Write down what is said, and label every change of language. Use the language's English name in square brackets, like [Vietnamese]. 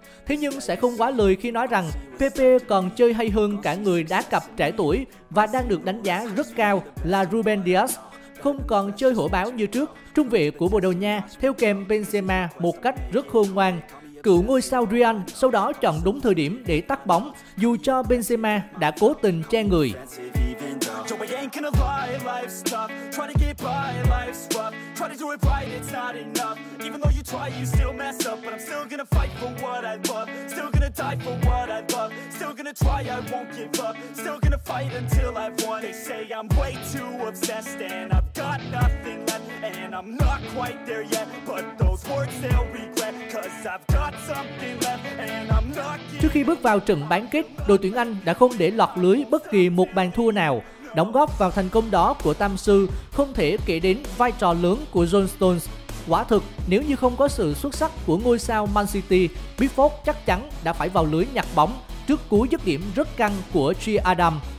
[Vietnamese] Thế nhưng sẽ không quá lời khi nói rằng Pepe còn chơi hay hơn cả người đá cặp trẻ tuổi và đang được đánh giá rất cao là Ruben Dias. Không còn chơi hổ báo như trước, trung vệ của Bồ Đào Nha theo kèm Benzema một cách rất khôn ngoan. Cựu ngôi sao Real sau đó chọn đúng thời điểm để tắt bóng, dù cho Benzema đã cố tình che người. [English] Joe, I ain't gonna lie, life's tough. Try to get by, life's rough. Try to do it right, it's not enough. Even though you try, you still mess up. But I'm still gonna fight for what I love. Still gonna die for what I love. Still gonna try, I won't give up. Still gonna fight until I've won. They say I'm way too obsessed and I've got nothing left. And I'm not quite there yet, but those words they'll regret. Cause I've got something left and I'm not. [Vietnamese] Trước khi bước vào trận bán kết, đội tuyển Anh đã không để lọt lưới bất kỳ một bàn thua nào. Đóng góp vào thành công đó của Tam Sư không thể kể đến vai trò lớn của John Stones. Quả thực, nếu như không có sự xuất sắc của ngôi sao Man City, Pickford chắc chắn đã phải vào lưới nhặt bóng trước cú dứt điểm rất căng của Tri Adam.